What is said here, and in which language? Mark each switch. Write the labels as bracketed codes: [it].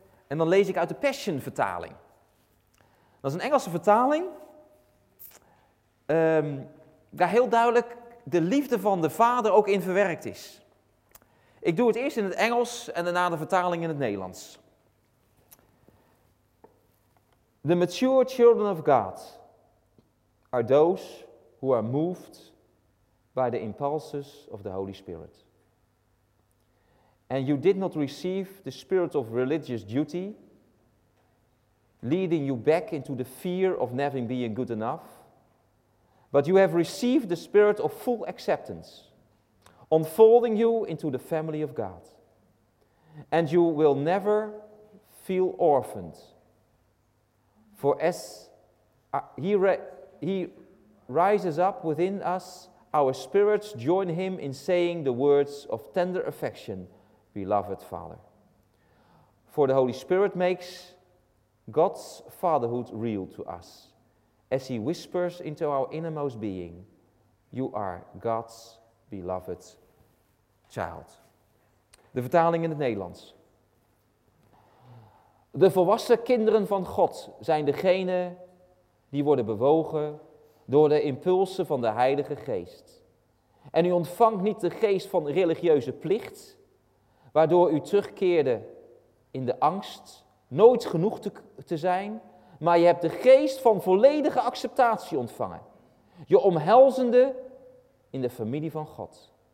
[nl] En dan lees ik uit de Passion-vertaling. Dat is een Engelse vertaling. Waar heel duidelijk de liefde van de Vader ook in verwerkt is. Ik doe het eerst in het Engels en daarna de vertaling in het Nederlands. [en] The mature children of God are those who are moved by the impulses of the Holy Spirit. And you did not receive the spirit of religious duty, leading you back into the fear of never being good enough, but you have received the spirit of full acceptance, unfolding you into the family of God. And you will never feel orphaned. For as he rises up within us, our spirits join him in saying the words of tender affection, beloved Father. For the Holy Spirit makes God's fatherhood real to us, as he whispers into our innermost being, you are God's beloved child. [nl] De vertaling in het Nederlands. De volwassen kinderen van God zijn degene die worden bewogen door de impulsen van de Heilige Geest. En u ontvangt niet de geest van religieuze plicht, waardoor u terugkeerde in de angst nooit genoeg te zijn, maar je hebt de geest van volledige acceptatie ontvangen, je omhelzende in de familie van God.